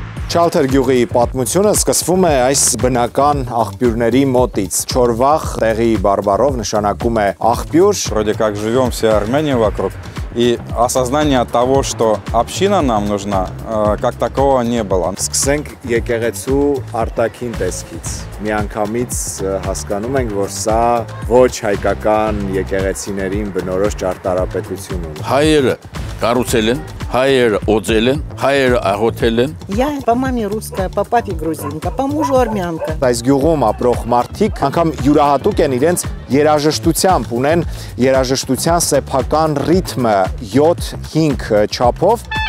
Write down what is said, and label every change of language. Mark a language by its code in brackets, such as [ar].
[hy] Չալթեր գյուղի պատմությունը սկսվում է այս բնական աղբյուրների մոտից։ Չորվախ տեղի բարբարով նշանակում է աղբյուր։ [ru] Вроде как живём все Армении вокруг. И осознание того, что община нам нужна, как такого не было. [hy] Սկսենք եկեղեցու արտաքին տեսքից։ Միանգամից հասկանում ենք, որ սա ոչ հայկական եկեղեցիներին բնորոշ ճարտարապետություն ունի։ Հայերը կառուցել են, հայերը օծել են, հայերը աղոթել են։ [ru] Я по маме русская, по папе грузинка, по мужу армянка. [hy] Այս գյուղում ապրող մարդիկ անգամ յուրահատուկ են իրենց երաժշտությամբ, ունեն երաժշտության սեփական ռիթմը 7-5 չափով։